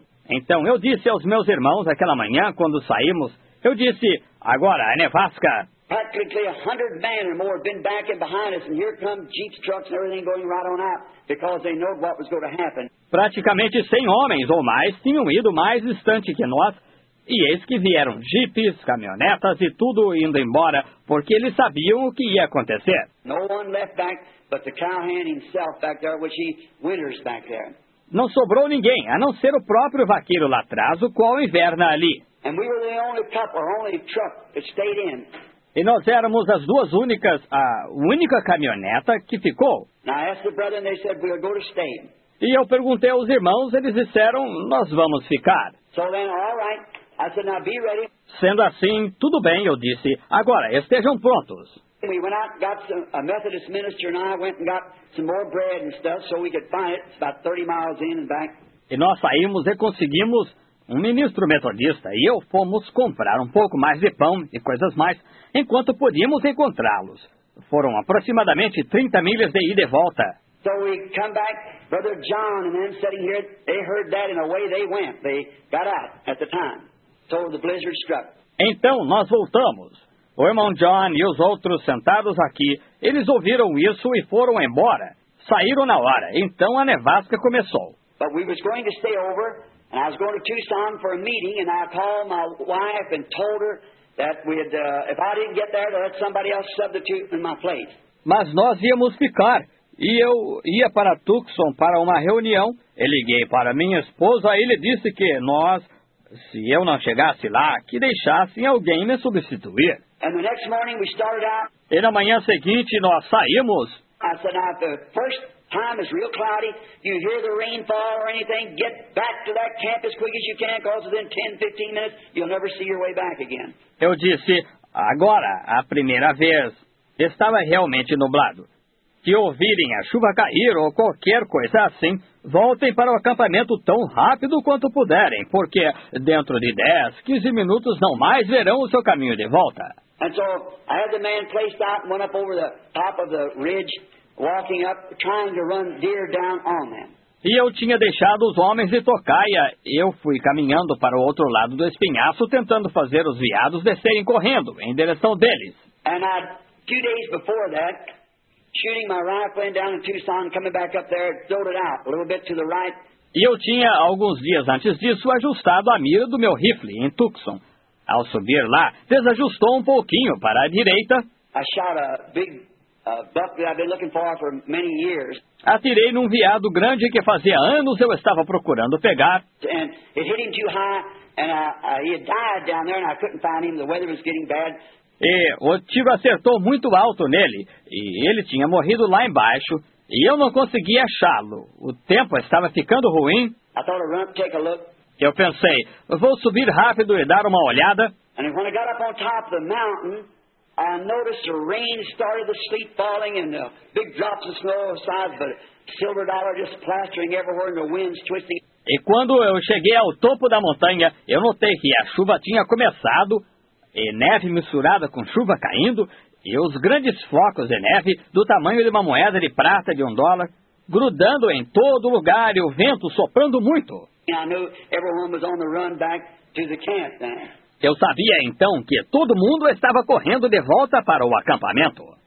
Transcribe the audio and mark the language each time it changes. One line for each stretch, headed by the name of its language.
Portuguese: Então eu disse aos meus irmãos aquela manhã, quando saímos, eu disse, agora, a nevasca.
English: Practically 100 men or more have been back and behind us, and here come jeeps, trucks, and everything going right on out because they know what was going to happen.
Portuguese: Praticamente 100 homens ou mais tinham ido mais distante que nós, e eis que vieram jipes, caminhonetas e tudo indo embora, porque eles sabiam o que ia acontecer.
English: No one left back but the cowhand himself back there, which he winters back there.
Portuguese: Não sobrou ninguém, a não ser o próprio vaqueiro lá atrás, o qual inverna ali.
English: And we were the only couple, or only truck that stayed in.
Portuguese: E nós éramos as duas únicas, a única caminhoneta que ficou.
English: Now I asked the brother and they said, we'll go to stay.
Portuguese: E eu perguntei aos irmãos, eles disseram, nós vamos ficar.
English: So then, all right. I said, now be ready.
Portuguese: Sendo assim, tudo bem, eu disse, agora, estejam prontos.
English: We went out, got some, a Methodist minister and I went and got some more bread and stuff so we could find it. It's about 30 miles in and back.
Portuguese: E nós saímos e conseguimos um ministro metodista e eu fomos comprar um pouco mais de pão e coisas mais, enquanto podíamos encontrá-los. Foram aproximadamente 30 milhas de ida e volta.
English: So we come back, Brother John and them sitting here, they heard that and away they went. They got out at the time. So the blizzard struck.
Portuguese: Então nós voltamos. O irmão John e os outros sentados aqui, eles ouviram isso e foram embora. Saíram na hora. Então a nevasca começou.
English: But we was going to stay over. And I was going to Tucson for a meeting, and I called my wife and told her that we'd, if I didn't get there, to let somebody else substitute in my place.
Portuguese: Mas nós íamos ficar, e eu ia para Tucson para uma reunião. Eu liguei para minha esposa, e ele disse que nós, se eu não chegasse lá, que deixassem alguém me substituir.
English: And the next morning we started out.
Portuguese: E na manhã seguinte nós saímos.
English: I said, now the first time is real cloudy, you hear the rainfall or anything, get back to that camp as quick as you can, because within 10, 15 minutes, you'll never see your way back again.
Portuguese: Eu disse, agora, a primeira vez, estava realmente nublado. Se ouvirem a chuva cair ou qualquer coisa assim, voltem para o acampamento tão rápido quanto puderem, porque dentro de 10, 15 minutos, não mais verão o seu caminho de volta.
English: And so, I had the man placed out and went up over the top of the ridge, walking up, trying to run deer down on them.
Portuguese: E eu tinha deixado os homens de tocaia. Eu fui caminhando para o outro lado do espinhaço, tentando fazer os veados descerem correndo em direção deles.
English: And I, 2 days before that, shooting my rifle down in Tucson, coming back up there, throwed it out a little bit to the right.
Portuguese: E eu tinha alguns dias antes disso ajustado a mira do meu rifle em Tucson. Ao subir lá, desajustou um pouquinho para a direita.
English: I shot a big buck that I've been looking for many years.
Portuguese: Atirei num veado grande que fazia anos eu estava procurando pegar.
English: And it hit him too high, and he had died down there, and I couldn't find him. The weather was getting bad.
Portuguese: E o tiro acertou muito alto nele, e ele tinha morrido lá embaixo, e eu não conseguia achá-lo. O tempo estava ficando ruim.
English: I thought I'd run up, take a look.
Portuguese: Eu pensei, vou subir rápido e dar uma olhada.
English: And when I got up on top of the mountain, I noticed the rain started to sleet falling and the big drops of snow aside, but silver dollar just plastering everywhere and the winds twisting.
Portuguese: E quando eu cheguei ao topo da montanha, eu notei que a chuva tinha começado, e neve misturada com chuva caindo, e os grandes flocos de neve, do tamanho de uma moeda de prata de $1, grudando em todo lugar e o vento soprando muito.
English: And I knew everyone was on the run back to the camp then.
Portuguese: Eu sabia, então, que todo mundo estava correndo de volta para o acampamento.